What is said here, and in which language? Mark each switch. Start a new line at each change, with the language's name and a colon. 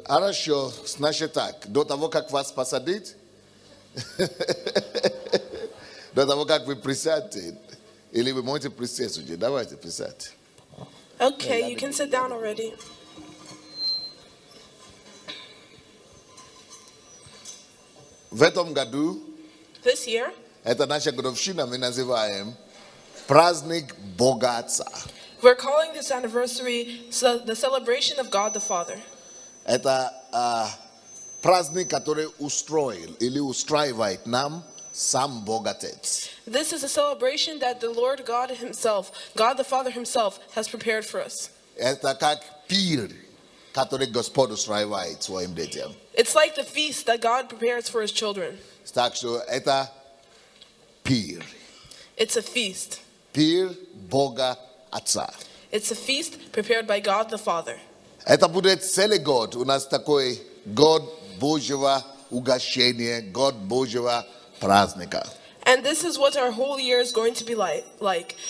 Russian: Хорошо, значит так, до того, как вас посадить, до того, как вы присядете, или вы можете присесть уже, давайте присядьте.
English: Okay, you can sit down already.
Russian: В этом году,
English: this year,
Russian: это наша годовщина, мы называем праздник Бога Отца.
English: We're calling this anniversary the celebration of God the Father.
Russian: Это праздник, который устроил или устраивает нам сам Бог Отец.
English: This is a celebration that the Lord God Himself, God the Father Himself, has prepared for us.
Russian: Это как пир, который Господь устраивает своим детям.
English: It's like the feast that God prepares for His children.
Russian: Так что это пир.
English: It's a feast.
Russian: Пир Бога Отца.
English: It's a feast prepared by God the Father.
Russian: Это будет целый год у нас такой год Божьего угощения, год Божьего праздника.
English: And this is what our whole year is going to be like.